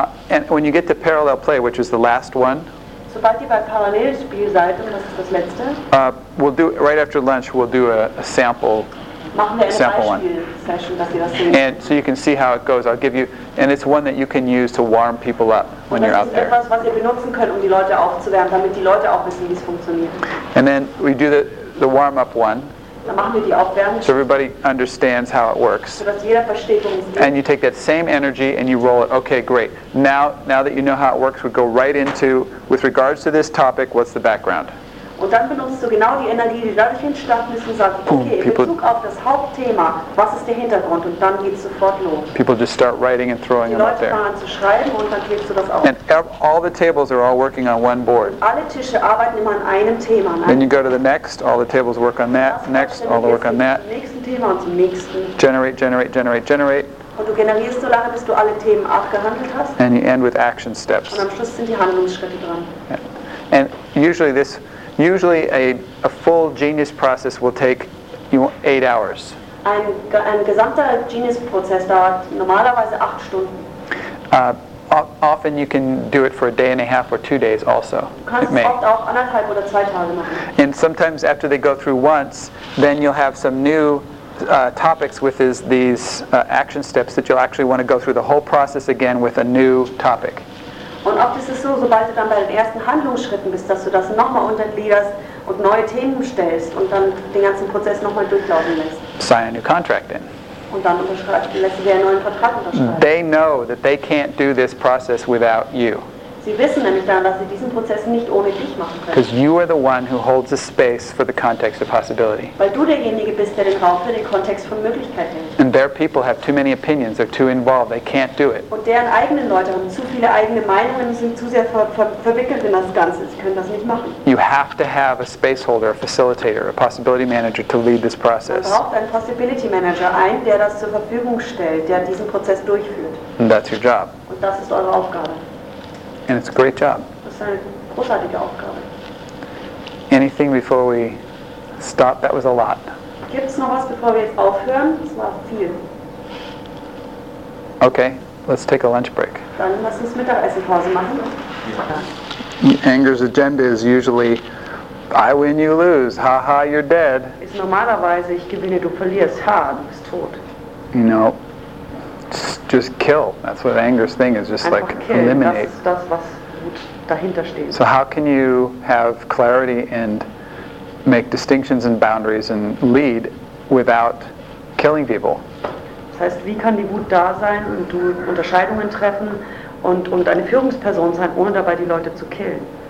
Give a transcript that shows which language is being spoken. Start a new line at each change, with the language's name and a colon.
English: And when you get to parallel play, which is the last one,
German: sobald ihr bei Parallelspiel seid, und das ist das letzte,
English: we'll do right after lunch. We'll do a sample.
German: Machen wir eine
English: sample one.
German: Session, dass ihr das seht.
English: And so you can see how it goes. I'll give you, and it's one that you can use to warm people up when
German: und
English: you're out there.
German: Das ist etwas, was ihr benutzen könnt, um die Leute aufzuwärmen, damit die Leute auch wissen, wie es funktioniert.
English: And then we do the warm up one.
German: Dann machen wir die Aufwärmung.
English: So everybody understands how it works.
German: So dass jeder versteht, worum es geht.
English: And you take that same energy and you roll it. Okay, great. Now that you know how it works, we go right into, with regards to this topic, what's the background?
German: Und dann benutzt du genau die Energie, die dadurch entstanden ist, und sagst, okay, in Bezug auf das Hauptthema, was ist der Hintergrund? Und dann geht es sofort los.
English: People just start writing and throwing them out there.
German: Die Leute fangen zu schreiben und dann klebst du das auf.
English: And all the tables are all working on one board.
German: Alle Tische arbeiten immer an einem Thema.
English: Then you go to the next, all the tables work on that, next, all the work on that.
German: Zum nächsten Thema und zum nächsten.
English: Generate, generate, generate, generate.
German: Und du generierst so lange, bis du alle Themen abgehandelt hast.
English: And you end with action steps.
German: Und am Schluss sind die Handlungsschritte dran.
English: Yeah. And usually this... Usually a full genius process will take 8 hours.
German: Ein gesamter genius Prozess dauert normalerweise 8 Stunden.
English: Often you can do it for a day and a half or 2 days also.
German: Du kannst es oft auch anderthalb oder 2 Tage machen.
English: And sometimes after they go through once, then you'll have some new topics with these action steps that you'll actually want to go through the whole process again with a new topic.
German: Und oft ist es so, sobald du dann bei den ersten Handlungsschritten bist, dass du das nochmal untergliederst und neue Themen stellst und dann den ganzen Prozess nochmal durchlaufen lässt.
English: Sign a new contract then.
German: Und dann lässt sie dir einen neuen Vertrag unterschreiben.
English: They know that they can't do this process without you.
German: Sie wissen nämlich dann, dass sie diesen Prozess nicht ohne dich machen können.
English: Because you are the one who holds the space for the context of possibility.
German: Weil du derjenige bist, der den Raum für den Kontext von Möglichkeit hält.
English: And their people have too many opinions, they're too involved, they can't do it.
German: Und deren eigenen Leute haben zu viele eigene Meinungen, sind zu sehr verwickelt in das Ganze, sie können das nicht machen.
English: You have to have a spaceholder, a facilitator, a possibility manager to lead this process.
German: Man braucht einen Possibility Manager, einen, der das zur Verfügung stellt, der diesen Prozess durchführt.
English: And that's your job.
German: Und das ist eure Aufgabe.
English: And it's a great job.
German: Das ist eine großartige Aufgabe.
English: Anything before we stop? That was a lot.
German: Gibt es noch was, bevor wir jetzt aufhören? Das war viel.
English: Okay, let's take a lunch break.
German: Dann lass uns Mittagessenpause machen.
English: Yeah. Anger's agenda is usually, I win, you lose. Ha ha, you're dead.
German: Ist normalerweise, ich gewinne, du verlierst. Ha, du bist tot.
English: You know. Just kill. That's what anger's thing is. Just
German: einfach
English: like kill. Eliminate.
German: Das, was dahinter steht.
English: So how can you have clarity and make distinctions and boundaries and lead without killing people?
German: Das heißt, wie kann die Wut da sein und du Unterscheidungen treffen und eine Führungsperson sein, ohne dabei die Leute zu killen.